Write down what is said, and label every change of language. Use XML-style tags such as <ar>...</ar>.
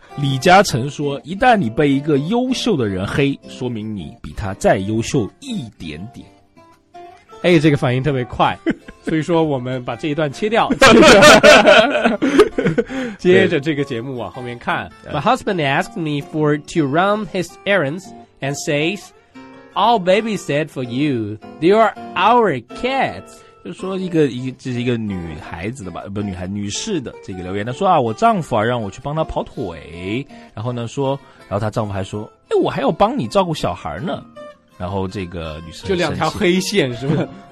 <zh>李嘉诚说，一旦你被一个优秀的人黑，说明你比他再优秀一点点。哎，这个反应特别快，所以说我们把这一段切掉接着这个节目往后面看。</zh> <en>My husband asked me for to run his errands and says,I'll babysit for you. They are our kids.</en> <zh>就说这是一个女孩子的吧，不，女孩女士的这个留言。她说啊，我丈夫啊让我去帮她跑腿，然后呢说，然后她丈夫还说，哎，我还要帮你照顾小孩呢。然后这个女士就两条黑线是吧？</zh>